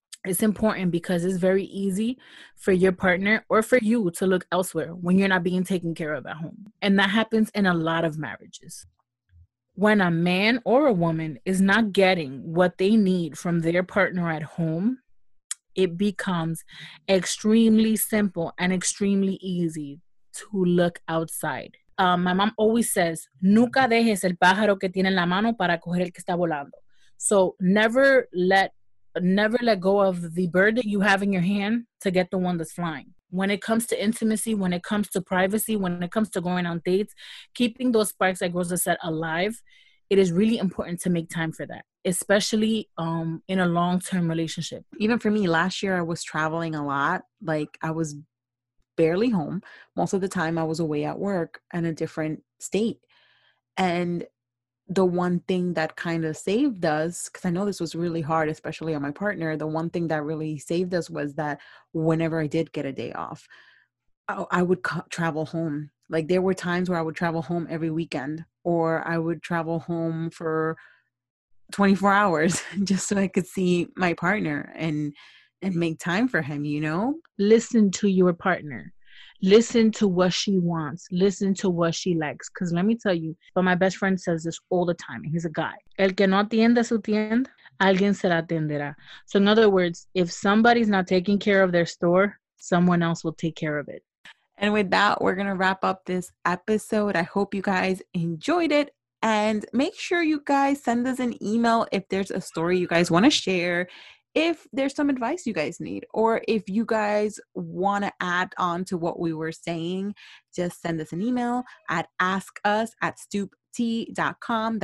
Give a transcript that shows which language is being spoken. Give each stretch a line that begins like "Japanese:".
English: It's important because it's very easy for your partner or for you to look elsewhere when you're not being taken care of at home. And that happens in a lot of marriages. when a man or a woman is not getting what they need from their partner at home, it becomes extremely simple and extremely easy to look outside. My mom always says,
Spanish: nunca dejes el pájaro que tiene en la mano para coger el que está volando.
English: So never let go of the bird that you have in your hand to get the one that's flying. When it comes to intimacy, when it comes to privacy, when it comes to going on dates, keeping those sparks, like Rosa said, alive, it is really important to make time for that, especially in a long-term relationship. Even for me, last year I was traveling a lot. Like, I was barely home. Most of the time I was away at work in a different state. And the one thing that kind of saved us, because I know this was really hard, especially on my partner, the one thing that really saved us was that whenever I did get a day off, I would travel home. Like, there were times where I would travel home every weekend, or I would travel home for 24 hours just so I could see my partner and make time for him, you know? Listen to your partner. Listen to what she wants. Listen to what she likes. Because let me tell you, but my best friend says this all the time. He's a guy.
Spanish: El que no atiende su tienda, alguien se la atenderá.
English: So in other words, if somebody's not taking care of their store, someone else will take care of it. And with that, we're going to wrap up this episode. I hope you guys enjoyed it. And make sure you guys send us an email if there's a story you guys want to share, if there's some advice you guys need, or if you guys want to add on to what we were saying, just send us an email at askus@stooptea.com.